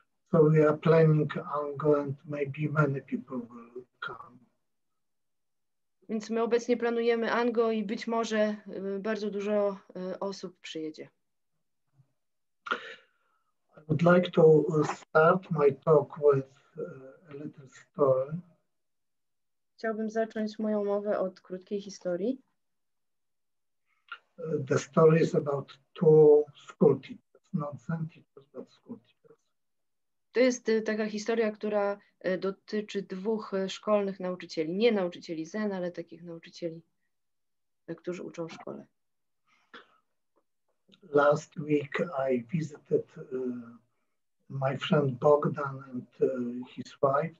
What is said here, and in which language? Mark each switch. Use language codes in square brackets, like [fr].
[en] So we are planning ANGO and maybe many people will come. [pl] Więc my obecnie planujemy ANGO i być może bardzo dużo osób przyjedzie. [en] I would like to start my talk with a little story. [pl] Chciałbym zacząć moją mowę od krótkiej historii. [en] The story is about two school teachers, not Zen teachers, but school teachers. [pl] To jest taka historia, która dotyczy dwóch szkolnych nauczycieli. Nie nauczycieli Zen, ale takich nauczycieli, którzy uczą w szkole. [en] Last week I visited my friend Bogdan and his wife.